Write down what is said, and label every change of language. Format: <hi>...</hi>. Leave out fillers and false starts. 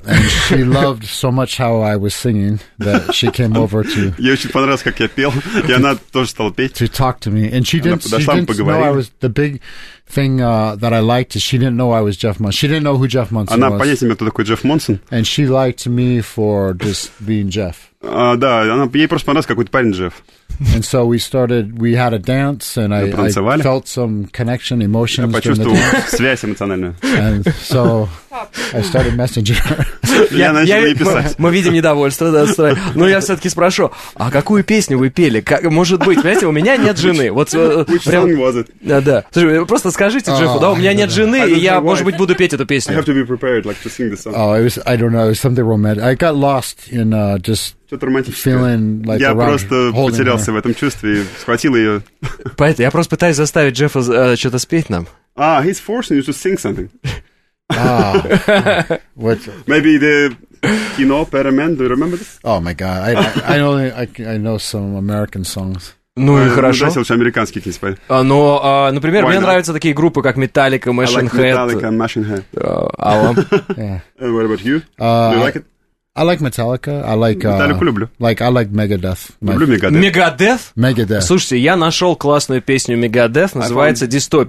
<en>And she loved so much how I was singing that she came over to...</en> <ru>Ей очень понравилось, как я пел, и она тоже стала петь.</ru> <en>To talk to me. And she didn't, know I was... The big thing that I liked is she didn't know I was Jeff Monson. She didn't know who Jeff Monson</en> <ru>она</ru> <en>was.</en> <ru>Она понятия не имела, кто такой Джефф Монсон.</ru> <en>And she liked me for just being Jeff.</en> <ru>Да, она, ей просто понравился какой-то парень Джефф.</ru> <en>And so we started, we had a dance, and I felt some connection, emotions.</en> <ru>Я почувствовал связь эмоциональную.</ru> <en>And so I started messaging her.</en> <ru>Я начал ей писать. Мы видим недовольство, да, но я все-таки спрошу, а какую песню вы пели? Как, может быть, понимаете, у меня нет жены. Вот,</ru> <en>which</en> <ru>прям,</ru> <en>song was it?</en> <ru>Да. Слушай, просто скажите Джеффу, да, у меня нет жены, и я, может быть, буду петь эту песню.</ru> <en>I have to be prepared, like, to sing the song. Oh, I don't know, it was something romantic. I got lost in just... Feeling like</en> <ru>я просто потерялся В этом чувстве и схватил ее. Поэтому я просто пытаюсь заставить Джеффа что-то спеть нам.</ru> <en>He's forcing you to sing something. What? Maybe the kino, Better Man, do you remember this? Oh my God, I know some American songs.</en> <ru>Ну и хорошо. Ну, лучше американские какие-то спать. Но, например, мне нравятся такие группы, как Metallica, Machine</ru> <en>Head. I like Head. Metallica and Machine Head.</en> <ru>А вам?</ru> <en>Yeah. And what about you? Do you like it? I like Metallica. I like</en> <ru>Metallica люблю.</ru> <en>Like I like Megadeth.</en> <ru>Люблю Megadeth.</ru> <en>Megadeth? Megadeth.</en> <ru>Слушайте, я нашел классную песню Megadeth, называется Dystopia.</ru>